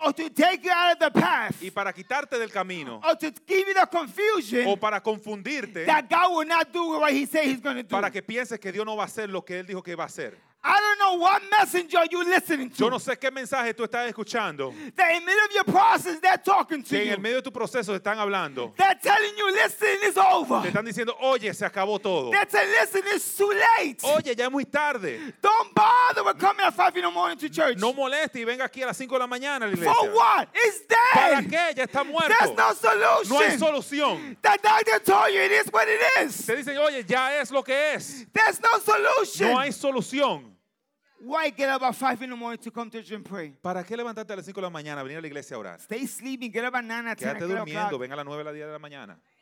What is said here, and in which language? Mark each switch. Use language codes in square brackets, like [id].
[en] Or to take you out of the path. [es] Y para quitarte del camino. [en] Or to give you the confusion. [es] O para confundirte. [en] That God will not do what he said he's going to do. [es] Para que pienses que Dios no va a hacer lo que él dijo que va a hacer. [en] I don't know what messenger you're listening to. [es] Yo no sé qué mensaje tú estás escuchando. [en] That in the middle of your process, they're talking to you. [es] En el medio de tu proceso te están hablando. [en] They're telling you, listen, it's over. [es] Te están diciendo, oye, se acabó todo. [en] They're telling you, listen, it's too late. [es] Oye, ya es muy tarde. [en] Don't bother with coming at 5 in the morning to church. [es] No moleste y venga aquí a las 5 de la mañana a la iglesia. [en] For what? It's dead. [es] ¿Para qué? Ya está muerto. [en] There's no solution. [es] No hay solución. [en] The doctor told you, it is what it is. [es] Te dicen, oye, ya es lo que es. [en] There's no solution. [es] No hay solución. [en] Why get up at 5 in the morning to come to church and pray? [es] ¿Para qué levantarte a las 5 de la mañana a venir a la iglesia a orar? [en] Stay sleeping, get up at 9 o'clock. [es] Quédate durmiendo, ven a las 9 de la mañana.